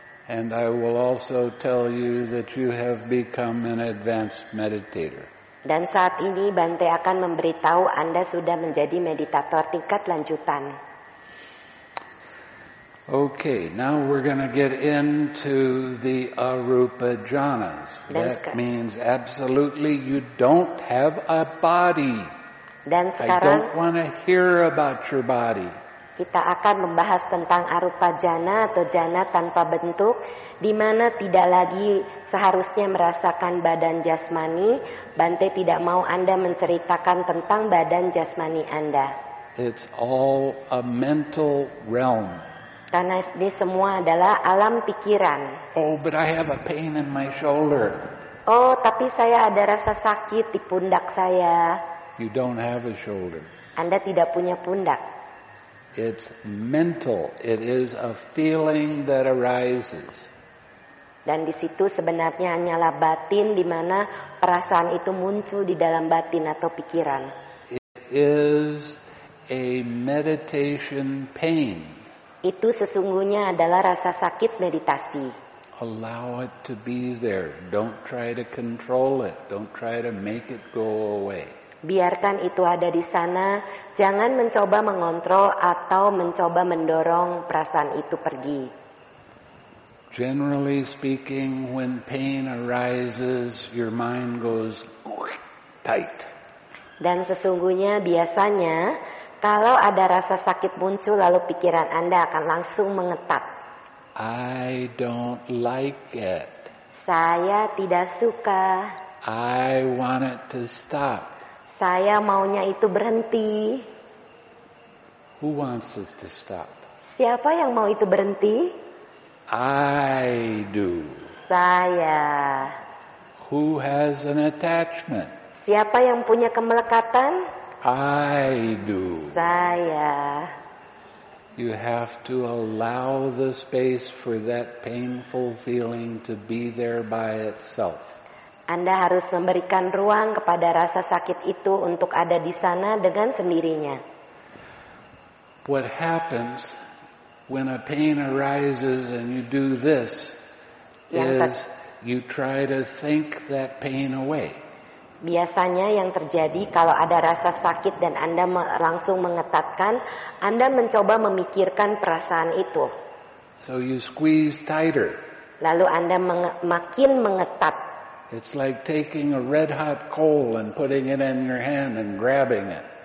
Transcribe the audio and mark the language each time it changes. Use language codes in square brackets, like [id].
[en] And I will also tell you that you have become an advanced meditator. [id] Dan saat ini Bante akan memberitahu Anda sudah menjadi meditator tingkat lanjutan. [en] Okay, now we're going to get into the arupa jhanas. That means absolutely you don't have a body. [id] Dan sekarang, [en] I don't want to hear about your body. [id] Kita akan membahas tentang arupa jhana atau jhana tanpa bentuk, di mana tidak lagi seharusnya merasakan badan jasmani. Bante tidak mau Anda menceritakan tentang badan jasmani Anda. [en] It's all a mental realm. [id] Karena ini semua adalah alam pikiran. [en] Oh, but I have a pain in my shoulder. [id] Oh, tapi saya ada rasa sakit di pundak saya. [en] You don't have a shoulder. [id] Anda tidak punya pundak. [en] It's mental. It is a feeling that arises. [id] Dan di situ sebenarnya hanyalah batin di mana perasaan itu muncul di dalam batin atau pikiran. [en] It is a meditation pain. [id] Itu sesungguhnya adalah rasa sakit meditasi. [en] Allow it to be there. Don't try to control it. Don't try to make it go away. [id] Biarkan itu ada di sana. Jangan mencoba mengontrol atau mencoba mendorong perasaan itu pergi. [en] Generally speaking, when pain arises, your mind goes tight. [id] Dan sesungguhnya biasanya, kalau ada rasa sakit muncul, lalu pikiran Anda akan langsung mengetat. [en] I don't like it. [id] Saya tidak suka. [en] I want it to stop. [id] Saya maunya itu berhenti. [en] Who wants it to stop? [id] Siapa yang mau itu berhenti? [en] I do. [id] Saya. [en] Who has an attachment? [id] Siapa yang punya kemelekatan? [en] I do. [id] Saya. [en] You have to allow the space for that painful feeling to be there by itself. [id] Anda harus memberikan ruang kepada rasa sakit itu untuk ada di sana dengan sendirinya. [en] What happens when a pain arises and you do this is you try to think that pain away. [id] Biasanya yang terjadi kalau ada rasa sakit dan Anda langsung mengetatkan, Anda mencoba memikirkan perasaan itu. [en] So you squeeze tighter. [id] Lalu Anda makin mengetat. [en] It's like taking a red hot coal and putting it in your hand and grabbing it.